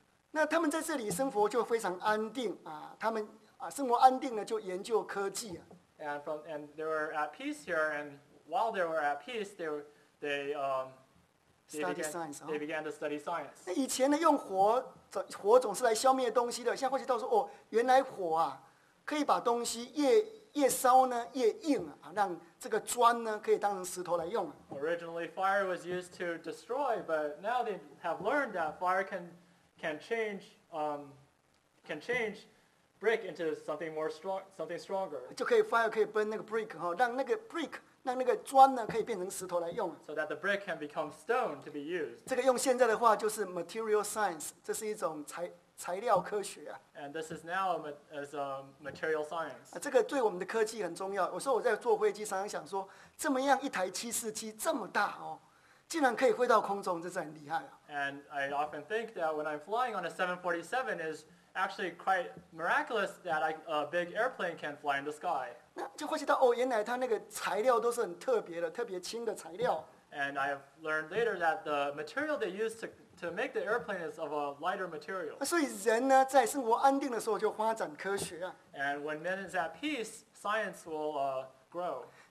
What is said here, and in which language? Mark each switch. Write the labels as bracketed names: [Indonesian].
[Chinese] 那他们在这里生活就非常安定，他们生活安定了就研究科技。 [English] And they were at peace here, and while they were at peace, they began to study science. [Chinese] 那以前呢，用火总是来消灭东西的，现在会知道说，哦，原来火啊，可以把东西越烧呢越硬啊，让这个砖呢可以当成石头来用。 [English] Originally, fire was used to destroy, but now they have learned that fire can change brick into something stronger. [Chinese] 就可以，fire可以burn那个 brick哈，让那个 brick。让那个砖呢，可以变成石头来用。So [English] that the brick can become stone to be used. [Chinese] 这个用现在的话就是 material science，这是一种材料科学啊。And [English] this is now as a material science. [Chinese] 这个对我们的科技很重要。我说我在坐飞机，常常想说，这么样一台747这么大哦，竟然可以飞到空中，这是很厉害啊。And [English] I often think that when I'm flying on a 747, is actually quite miraculous that a big airplane can fly in the sky. [Chinese] 那就会知道哦，原来它那个材料都是很特别的，特别轻的材料。And [English] I have learned later that the material they use to make the airplane is of a lighter material. [Chinese] 所以人呢，在生活安定的时候就发展科学啊。And [English] when men is at peace, science will grow.